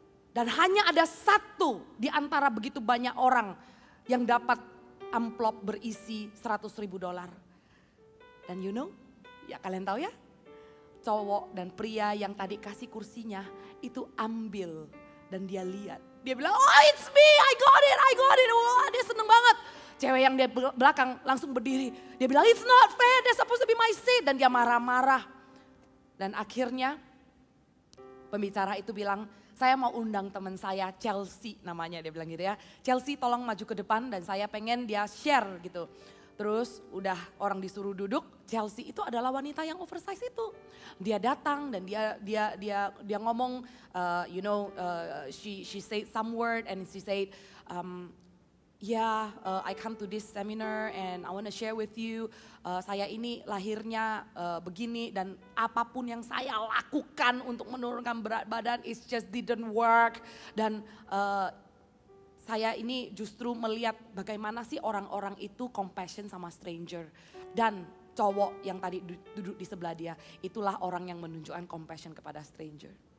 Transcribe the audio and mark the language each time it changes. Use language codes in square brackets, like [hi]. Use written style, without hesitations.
[id] Dan hanya ada satu di antara begitu banyak orang yang dapat amplop berisi $100,000. Dan [en] you know, [id] ya kalian tahu ya, cowok dan pria yang tadi kasih kursinya itu ambil dan dia lihat. Dia bilang, [en] oh it's me, I got it. [id] Wah dia seneng banget. Cewek yang di belakang langsung berdiri. Dia bilang, [en] it's not fair, that's supposed to be my seat. [id] Dan dia marah-marah. Dan akhirnya pembicara itu bilang, saya mau undang teman saya Chelsea namanya. Dia bilang gitu ya, Chelsea tolong maju ke depan dan saya pengen dia share gitu. Terus udah orang disuruh duduk, Chelsea itu adalah wanita yang oversize itu. Dia datang dan dia ngomong, [en] you know, she said some word and she said, I come to this seminar and I want to share with you. [id] Saya ini lahirnya begini dan apapun yang saya lakukan untuk menurunkan berat badan, [en] it just didn't work. [id] Dan saya ini justru melihat bagaimana sih orang-orang itu compassion sama stranger. Dan cowok yang tadi duduk di sebelah dia, itulah orang yang menunjukkan compassion kepada stranger.